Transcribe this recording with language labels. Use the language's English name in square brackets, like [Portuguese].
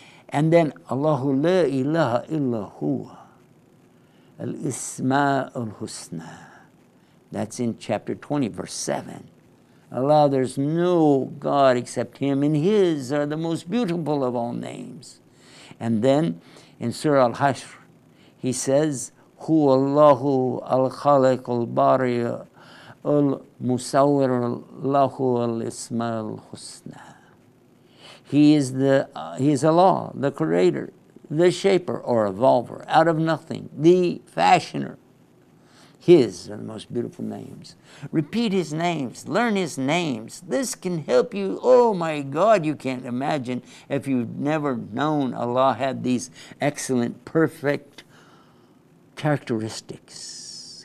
[English] And then, [Arabic] Allahu la ilaha illa huwa, al-isma al-husna. [English] That's in chapter 20, verse 7. Allah, there's no God except Him, and His are the most beautiful of all names. And then, in Surah Al-Hashr, He says, [Arabic] هو الله الخالق الباري المصور له الاسم الحسنى. [English] He is Allah, the creator, the shaper or evolver, out of nothing, the fashioner. His are the most beautiful names. Repeat his names. Learn his names. This can help you. Oh my God, you can't imagine if you've never known Allah had these excellent, perfect characteristics.